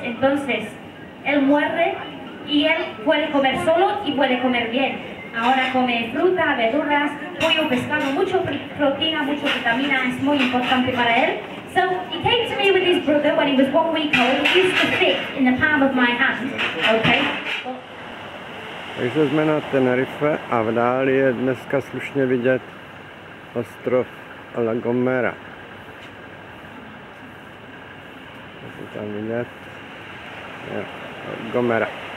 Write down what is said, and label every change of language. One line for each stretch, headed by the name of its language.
Spanish: Entonces, él muerde y él puede comer solo y puede comer bien. Ahora come fruta, verduras, pollo, pescado, mucho proteína, mucho vitamina, es muy importante para él.
English: So, he came to me with his brother when he was 1 week old. He used to fit in the palm of my hand. Okay.
Czech: Takže jsme na Tenerife a v dáli je dneska slušně vidět ostrov La Gomera. Tam vidět. Jo, Gomera.